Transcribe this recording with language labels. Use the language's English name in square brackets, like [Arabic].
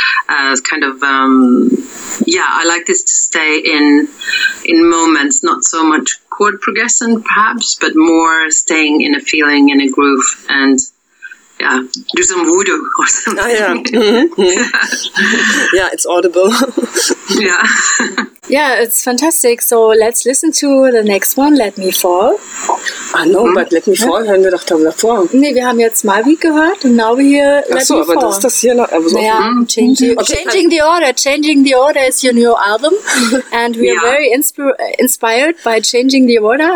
[English] It's kind of, I like this to stay in moments, not so much chord progression perhaps, but more staying in a feeling, in a groove, and do some voodoo or something. Oh, yeah. Mm-hmm. Yeah, it's audible. Yeah. Yeah, it's fantastic. So let's listen to the next one, Let Me Fall. [German] Ah, no, but Let Me Fall hören wir doch davor. Nee, wir haben jetzt Malvik gehört und [English] now we hear Let Me Fall. [German] Achso, aber das ist das hier noch. [English] Also yeah, Changing the Order is your new album. And we are very inspired by Changing the Order.